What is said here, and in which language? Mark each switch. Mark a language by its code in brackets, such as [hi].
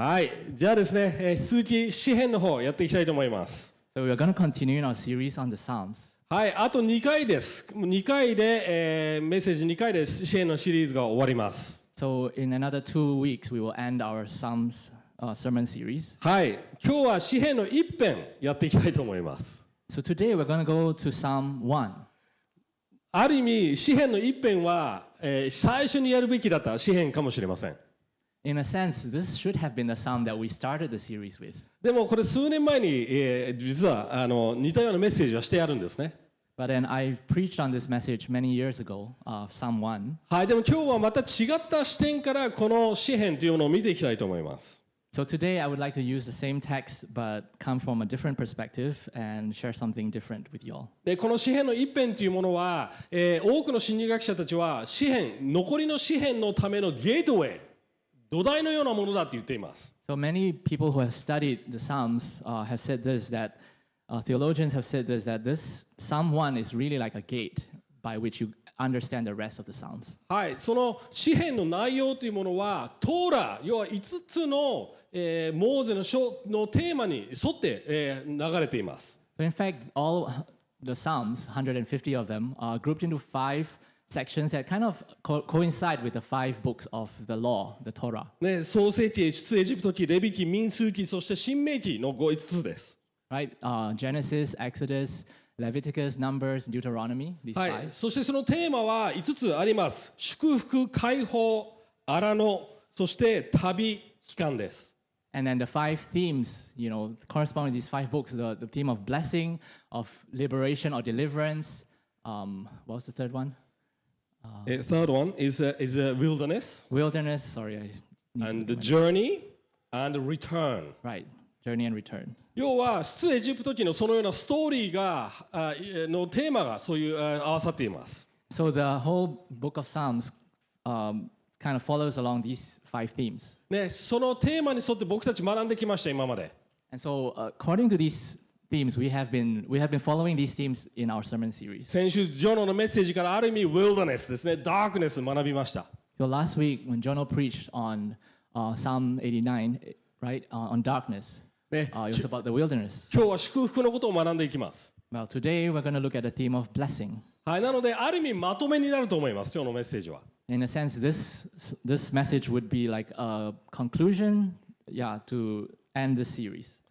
[ja] はい、じゃあですね、続き詩編の方やっていきたいと思います。 [en] So we are going to continue in our series on the Psalms. [ja] はい、あと2回です。 2回で、メッセージ2回で詩編のシリーズが終わります。 [en] So in another 2 weeks, we will end our Psalms, sermon series. [ja] はい、今日は詩編の一編やっていきたいと思います。 [en] So today we're going to go to Psalm 1. [ja] ある意味、詩編の一編は、最初にやるべきだった詩編かもしれません。 [en] In a sense, this should have been the psalm that we started the series with. [ja] でもこれ数年前に、実は似たようなメッセージはしてあるんですね。 [en] But then I preached on this message many years ago, Psalm 1. [ja] はい、でも今日はまた違った視点からこの詩編というものを見ていきたいと思います。 [en] So today I would like to use the same text, but come from a different perspective and share something different with you all. [ja] で、この詩編の一編というものは、多くの心理学者たちは詩編、残りの詩編のためのゲートウェイ。土台のようなものだと言っています。 [en] So many people who have studied the Psalms, have said this, that, theologians have said this, that this Psalm 1 is really like a gate by which you understand the rest of the Psalms. [ja] はい、その詩編の内容というものは、トーラ、要は5つの、モーゼの書のテーマに沿って、流れています。 [en] So in fact, all the Psalms, 150 of them, are grouped into 5 sections that kind of coincide with the 5 books of the law, the Torah. [ja] ね、創世記、出エジプト記、レビ記、民数記、そして申命記の5つです。 [en] Right, Genesis, Exodus, Leviticus, Numbers, Deuteronomy, these 5. [ja] はい、そしてそのテーマは5つあります。祝福、解放、荒野、そして旅、帰還です。 [en] And then the 5 themes, you know, corresponding to these 5 books, the theme of blessing, of liberation or deliverance, what was the third one? Third one is a wilderness. Wilderness, sorry. And the journey and the return. Right, journey and return. [ja] 要は出エジプト記のそのようなストーリーが、のテーマがそういう、合わさっています。 [en] So the whole book of Psalms, kind of follows along these 5 themes. [ja] ね、そのテーマに沿って僕たち学んできました、今まで。 [en] And so, according to these themes, we have been following these themes in our sermon series. [ja] 先週ジョノのメッセージからある意味 wilderness ですね、darkness 学びました。 [en] So last week when Jono preached on Psalm 89, right, on darkness, it was about the wilderness. [ja] 今日は祝福のことを学んでいきます。 [en] Well, today we're going to look at the theme of blessing. [ja] はい、なのである意味まとめになると思います、今日のメッセージは。 [en] In a sense, this message would be like a conclusion, yeah, to end the series.